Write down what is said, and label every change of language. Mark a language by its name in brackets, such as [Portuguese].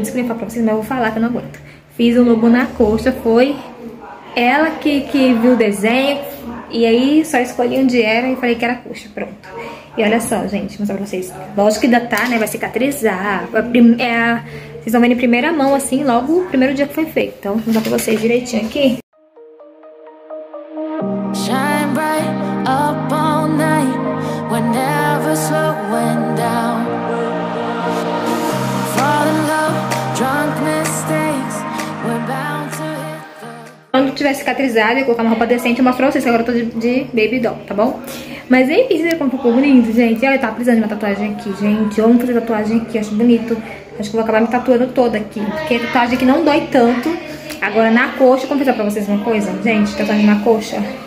[Portuguese] Desculpa, eu falo pra vocês, mas eu vou falar que eu não aguento. Fiz o lobo na coxa, foi ela que viu o desenho. E aí só escolhi onde era e falei que era coxa, pronto. E olha só, gente, mostrar pra vocês. Lógico que ainda tá, né? Vai cicatrizar. Vocês vão ver em primeira mão, assim, logo o primeiro dia que foi feito. Então, vou mostrar pra vocês direitinho aqui. [English] Shine bright up all night, we're never slowing down. Fall in love, drunk mistakes, we're bound to hit the... [Portuguese] Quando tiver cicatrizado e colocar uma roupa decente, eu mostro pra vocês que agora eu tô de baby doll, tá bom? Mas enfim, você ficou um pouco bonito, gente. Olha, eu tava precisando de uma tatuagem aqui, gente. Eu amo fazer tatuagem aqui, acho bonito. Acho que eu vou acabar me tatuando toda aqui. Porque a tatuagem aqui não dói tanto. Agora, na coxa, como eu vou pra vocês uma coisa, gente, tatuagem na coxa.